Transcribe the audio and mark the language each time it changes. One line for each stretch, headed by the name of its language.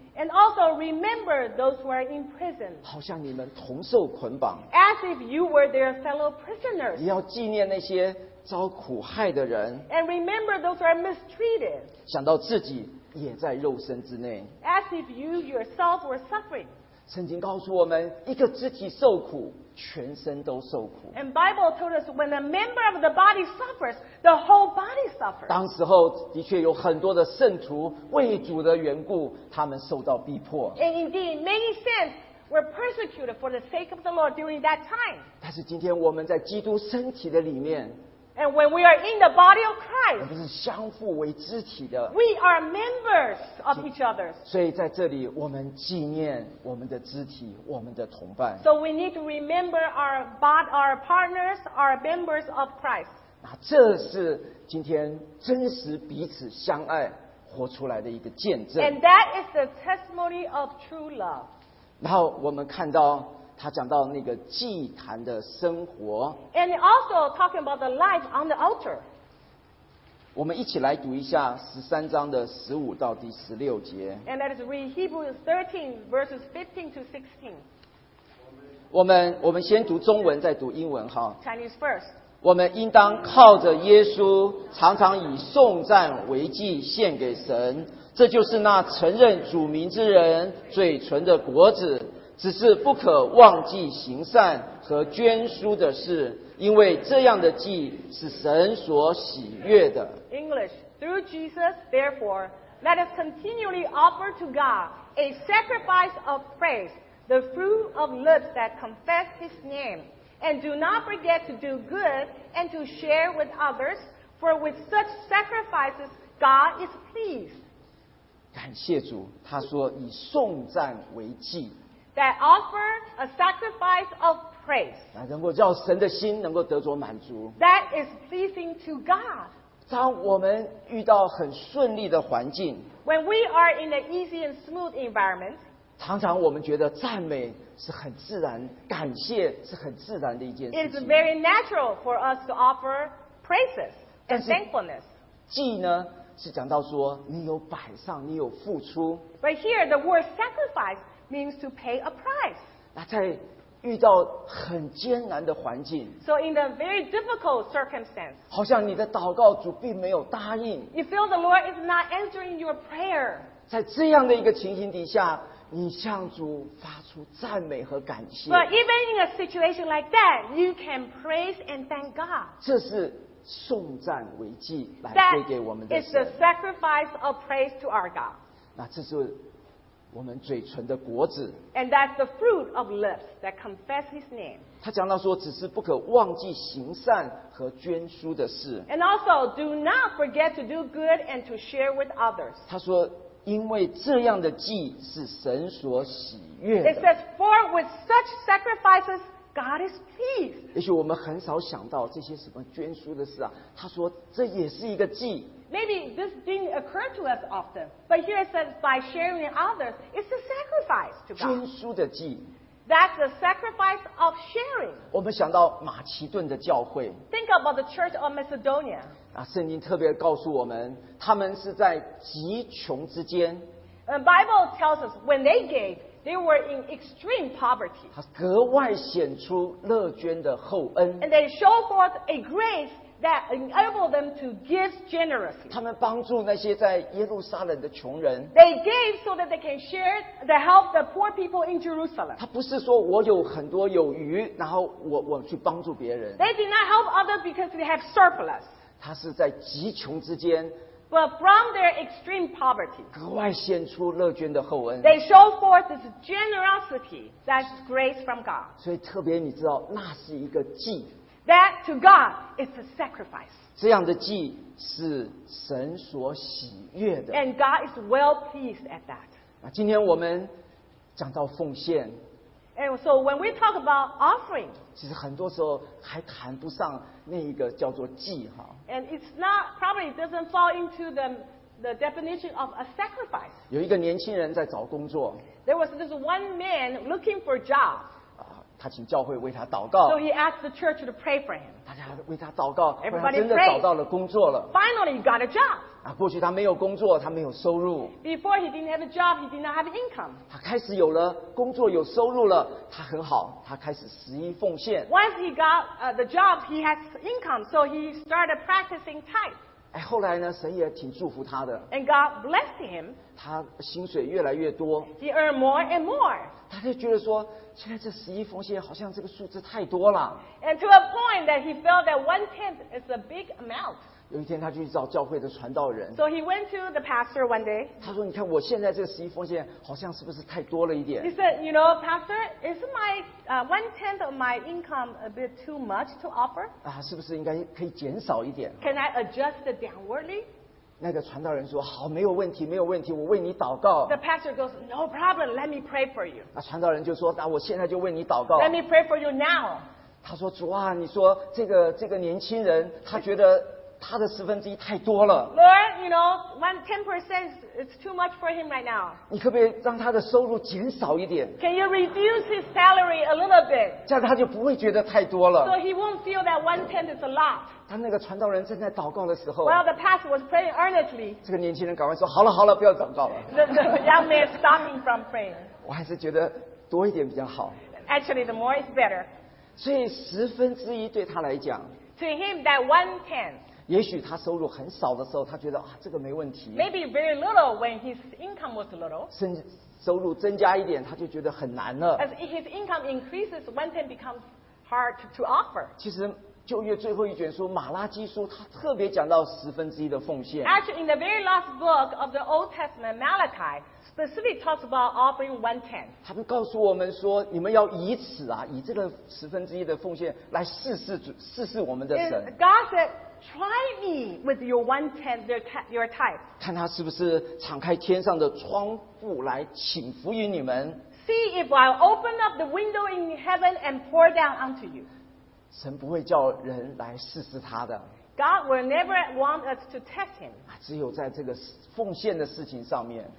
English: And also remember those who are in prison.
Chinese: 好像你们同受捆绑。
English: As if you were their fellow prisoners.
Chinese: 也要纪念那些遭苦害的人。
English: And remember those who are mistreated.
Chinese: 想到自己也在肉身之内。
English: As if you yourself were suffering.
Chinese: 圣经告诉我们，一个肢体受苦，全身都受苦。
English: And Bible told us when a member of the body suffers, the whole body suffers.
Chinese: 当时候的确有很多的圣徒为主的缘故，他们受到逼迫。
English: And indeed, many saints were persecuted for the sake of the Lord during that time.
Chinese: 但是今天我们在基督身体的里面。
English: And when we are in the body of Christ,
Chinese: 我们是相互为肢体的。
English: We are members of each other.
Chinese: 所以在这里，我们纪念我们的肢体，我们的同伴。
English: So we need to remember our partners, our members of Christ.
Chinese: 那这是今天真实彼此相爱活出来的一个见证。
English: And that is the testimony of true love.
Chinese: 然后我们看到。他讲到那个祭坛的生活
English: ，and also talking about the life on the altar。
Chinese: 我们一起来读一下十三章的十五到第十六节。
English: And let us read Hebrews 13 verses 15 to 16。
Chinese: 我们先读中文，再读英文哈。
English: Chinese first。
Chinese: 我们应当靠着耶稣，常常以颂赞为祭献给神，这就是那承认主名之人嘴唇的果子。只是不可忘记行善和捐书的事，因为这样的祭是神所喜悦的。
English: English, through Jesus, therefore, let us continually offer to God a sacrifice of praise, the fruit of lips that confess His name, and do not forget to do good and to share with others, for with such sacrifices God is pleased.
Chinese: 感谢主，他说以颂赞为祭。
English: That offer a sacrifice of praise.
Chinese: 能够叫神的心能够得着满足。
English: That is pleasing to God.
Chinese: 当我们遇到很顺利的环境。
English: When we are in an easy and smooth environment.
Chinese: 常常我们觉得赞美是很自然，感谢是很自然的一件事情。
English: It is very natural for us to offer praises and thankfulness.
Chinese: 祭呢？是讲到说你有摆上，你有付出。
English: But here the word sacrifice means to pay a price.
Chinese: 那在遇到很艰难的环境。
English: So in the very difficult circumstance.
Chinese: 好像你的祷告主并没有答应。
English: You feel the Lord is not answering your prayer.
Chinese: 在这样的一个情形底下，你向主发出赞美和感谢。
English: But even in a situation like that, you can praise and thank God.
Chinese: 这是颂赞为祭来归给我们的神。
English: That is the sacrifice of praise to our God.
Chinese: 那这是我们嘴唇的果子。
English: And that's the fruit of lips that confess His name.
Chinese: 他讲到说，只是不可忘记行善和捐书的事。
English: And also, do not forget to do good and to share with others.
Chinese: 他说，因为这样的祭是神所喜悦的。
English: It says, for with such sacrifices. God is pleased.
Chinese: 也许我们很少想到这些什么捐书的事啊。他说这也是一个祭。
English: Maybe this didn't occur to us often, but here it says by sharing with others, it's a sacrifice to God.
Chinese: 捐书的祭。
English: That's the sacrifice of sharing.
Chinese: 我们想到马其顿的教会。
English: Think about the church of Macedonia.
Chinese: 啊，圣经特别告诉我们，他们是在极穷之间。
English: And Bible tells us when they gave. They were in extreme poverty.
Chinese: 他格外显出乐捐的厚恩。
English: And they show forth a grace that enabled them to give generously.
Chinese: 他们帮助那些在耶路撒冷的穷人。
English: They gave so that they can share the help the poor people in Jerusalem.
Chinese: 他不是说我有很多有余，然后我去帮助别人。
English: They did not help others because they have surplus.
Chinese: 他是在极穷之间。
English: But from their extreme poverty,
Chinese: 格外显出乐捐的厚恩。
English: They show forth this generosity, that's grace from God.
Chinese: 所以特别你知道，那是一个祭。
English: That to God is a sacrifice.
Chinese: 这样的祭是神所喜悦的。
English: And God is well pleased at that.
Chinese: 那今天我们讲到奉献。
English: And so when we talk about offering,
Chinese: 其实很多时候还谈不上那一个叫做祭哈。
English: And it's not probably doesn't fall into the definition of a sacrifice.
Chinese: 有一个年轻人在找工作。
English: There was this one man looking for a job.
Chinese: 他请教会为他祷告。
English: So he asked the church to pray for him.
Chinese: 大家为他祷告，后来真的找到了工作了。
English: Finally, he got a job.
Chinese: 过去他没有工作，他没有收入。
English: Before he didn't have a job, he did not have income.
Chinese: 他开始有了工作，有收入了，他很好，他开始十一奉献。
English: Once he got the job, he has income, so he started practicing tithe.
Chinese: 哎，后来呢，神也挺祝福他的。
English: And God blessed him.
Chinese: 他薪水越来越多。
English: He earned more and more.
Chinese: 他就觉得说，现在这十一奉献好像这个数字太多了。
English: And to a point that he felt that one tenth is a big amount.
Chinese: 有一天，他去找教会的传道人。
English: So he went to the pastor one day.
Chinese: 他说：“你看，我现在这个十一奉献好像是不是太多了一点
English: ？”He said, "You know, pastor, is my one tenth of my income a bit too much to offer?"
Chinese: 啊，是不是应该可以减少一点
English: ？Can I adjust it downwardly?
Chinese: 那个传道人说：“好，没有问题，没有问题，我为你祷告。”
English: The pastor goes, "No problem. Let me pray for you."
Chinese: 那传道人就说：“那我现在就为你祷告。”
English: Let me pray for you now.
Chinese: 他说：“主啊，你说这个年轻人，他觉得他的十分之一太多了。”
English: Lord, you know, ten percent is too much for him right now.
Chinese: 你可不可以让他的收入减少一点
English: ？Can you reduce his salary a little bit?
Chinese: 这样他就不会觉得太多了。
English: So he won't feel that one tenth is a lot.
Chinese: 他那个传道人正在祷告的时候
English: ，While the pastor was praying earnestly，
Chinese: 这个年轻人赶快说：“好了好了，不要祷告了。
English: ”The young man stopping from praying。
Chinese: 我还是觉得多一点比较好。
English: Actually, the more is better。
Chinese: 所以十分之一对他来讲
English: ，To him that one tenth。
Chinese: 也许他收入很少的时候，他觉得啊，这个没问题。
English: Maybe very little when his income was little。
Chinese: 甚至收入增加一点，他就觉得很难了。
English: As his income increases, one tenth becomes hard to offer。
Chinese: 其实。旧约最后一卷书马拉基书他特别讲到十分之一的奉献
English: Actually in the very last book of the Old Testament Malachi specifically talks about offering one tenth
Chinese: 他们告诉我们说你们要以此啊以这个十分之一的奉献来试试我们的神
English: God said try me with your one tenth your tithe
Chinese: 看他是不是敞开天上的窗户来倾覆于你们
English: See if I open up the window in heaven and pour down unto you
Chinese: 神不会叫人来试试他的。
English: God will never want us to test him.
Chinese: 只有在这个奉献的事情上面。